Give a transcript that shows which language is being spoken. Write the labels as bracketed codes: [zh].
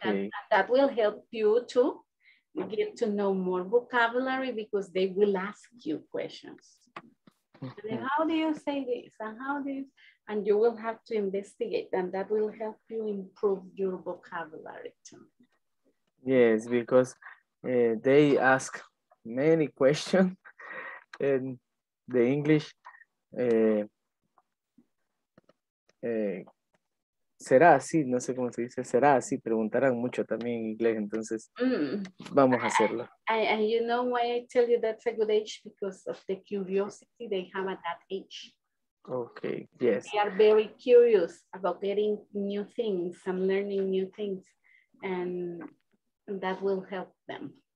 [en] And that will help you to get to know more vocabulary because they will ask you questions. Okay. How do you say this? And how do you? And you will have to investigate, and that will help you improve your vocabulary too. Yes, because they ask many questions in the English. [es] Será así, no sé cómo se dice, será así, preguntarán mucho también en inglés, entonces vamos a hacerlo. [en] And you know why I tell you that's a good age? Because of the curiosity they have at that age. Okay, yes. They are very curious about getting new things and learning new things, and that will help them